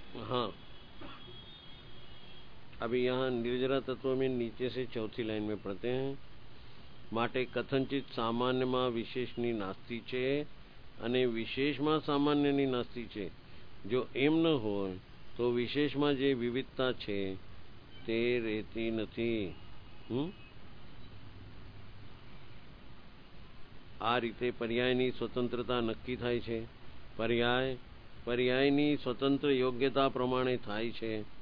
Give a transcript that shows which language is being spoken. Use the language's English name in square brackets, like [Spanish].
[Hindi] हाँ, अभी यहाँ निर्जरा तत्व में नीचे से चौथी लाइन में पढ़ते हैं. [Gujarati] माटे कथंचित सामान्य मा विशेषनी नास्ती छे अने विशेष मा सामान्यनी नास्ती छे. જો એમ ન હોય તો વિશેષમાં જે વિવિધતા છે તે રહેતી નથી. આ રીતે પર્યાયની સ્વતંત્રતા નક્કી થાય છે. પર્યાય પર્યાયની સ્વતંત્ર યોગ્યતા પ્રમાણે થાય છે.